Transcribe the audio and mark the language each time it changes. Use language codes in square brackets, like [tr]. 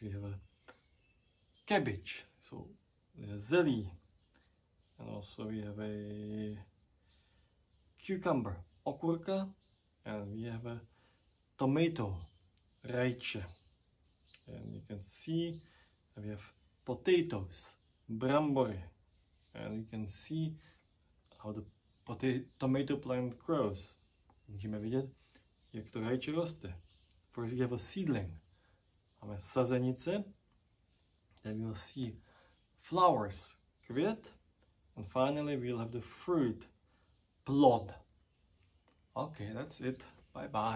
[en] We have a cabbage, so a zelí, and also we have a cucumber, okurka, and we have a tomato, rajče. And you can see that we have potatoes, brambory, and you can see how the tomato plant grows. [cs] Můžeme vidět, jak to rajče roste. [en] First we have a seedling. [cs] Máme sazenice. [en] Then we'll see flowers, květ. And finally we'll have the fruit, plod. Okay, that's it. Bye bye.